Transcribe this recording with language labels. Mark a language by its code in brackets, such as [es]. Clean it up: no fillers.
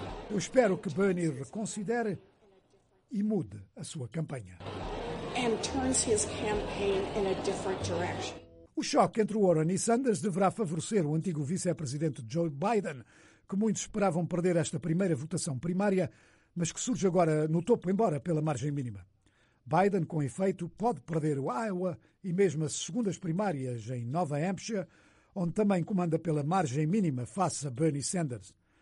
[pt] Eu espero que Bernie reconsidere e mude a sua campanha. [en] And turns his campaign in a different direction. [pt] O choque entre Warren e Sanders deverá favorecer o antigo vice-presidente Joe Biden, que muitos esperavam perder esta primeira votação primária, mas que surge agora no topo, embora pela margem mínima. Biden, com efeito, pode perder o Iowa e mesmo as segundas primárias em Nova Hampshire, onde também comanda pela margem mínima face a Bernie Sanders.